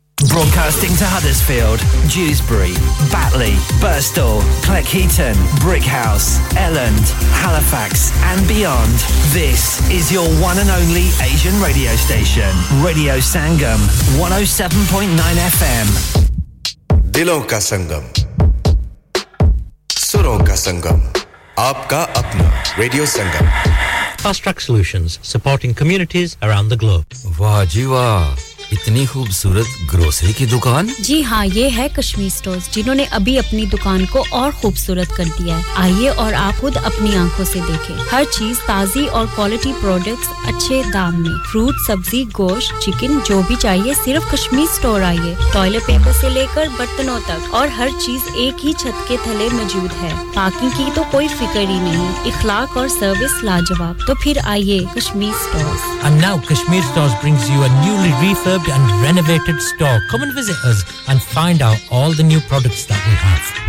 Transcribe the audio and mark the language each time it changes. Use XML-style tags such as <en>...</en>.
<en>Broadcasting to Huddersfield, Dewsbury, Batley, Birstall, Cleckheaton, Brickhouse, Elland, Halifax and beyond. This is your one and only Asian radio station. Radio Sangam, 107.9 FM.</en> <hi>दिलों का संगम, सुरों का संगम, आपका अपना radio Sangam.</hi> <en>Fast Track Solutions, supporting communities around the globe.</en> <hi>वाह जी वाह, इतनी खूबसूरत ग्रोसरी की दुकान? जी हाँ, ये है कश्मीर स्टोर्स, जिन्होंने अभी अपनी दुकान को और खूबसूरत कर दिया है. आइए और आप खुद अपनी आंखों से देखें. हर चीज ताजी और क्वालिटी प्रोडक्ट्स अच्छे दाम में. फ्रूट, सब्जी, गोश्त, चिकन, जो भी चाहिए सिर्फ कश्मीर स्टोर आइए. टॉयलेट पेपर से लेकर बर्तनों तक और हर चीज एक ही छत के थले मौजूद है. पार्किंग की तो कोई फिक्र ही नहीं. इखलाक और सर्विस लाजवाब. तो फिर आइए Kashmir stores.</hi> <en>And now Kashmir Stores brings you a newly refurbed and renovated store. Come and visit us and find out all the new products that we have.</en>